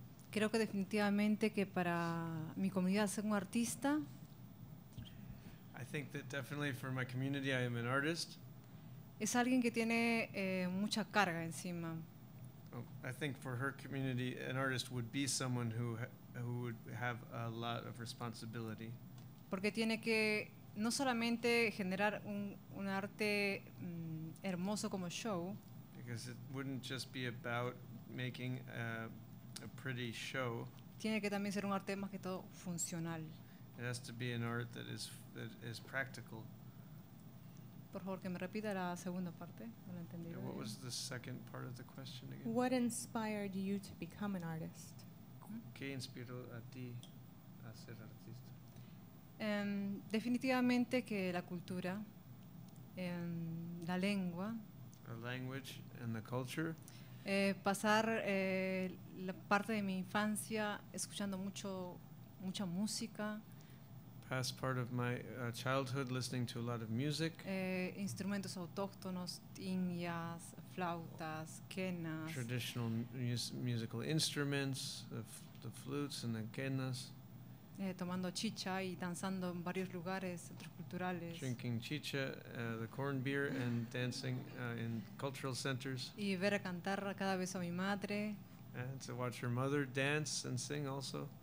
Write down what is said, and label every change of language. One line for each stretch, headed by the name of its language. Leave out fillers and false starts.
Spanish: Creo que definitivamente que para mi comunidad ser un artista.
English: I think that definitely for my community I am an artist.
Spanish: Es alguien que tiene mucha carga encima.
English: Oh, I think for her community an artist would be someone who would have a lot of responsibility.
Spanish: Porque tiene que no solamente generar un arte hermoso como show.
English: Because it wouldn't just be about making a pretty show.
Spanish: Tiene que también ser un arte más que todo funcional.
English: It has to be an art that is practical.
Spanish: Por favor, que me repita la segunda parte. No la entendí.
English: What was the second part of the question again? What inspired you to become an artist?
Spanish: ¿Qué inspiró a ti a ser artista? Definitivamente que la cultura, la lengua.
English: The language and the culture.
Spanish: Pasar la parte de mi infancia escuchando mucha música.
English: Past part of my childhood listening to a lot of music.
Spanish: Instrumentos autóctonos, tiñas, flautas, quenas.
English: Traditional musical instruments, the flutes and the quenas.
Spanish: Tomando chicha y danzando en varios lugares, centros culturales.
English: Drinking chicha, the corn beer, and dancing in cultural centers.
Spanish: Y ver a cantar cada vez a mi madre.
English: And to watch her mother dance and sing also.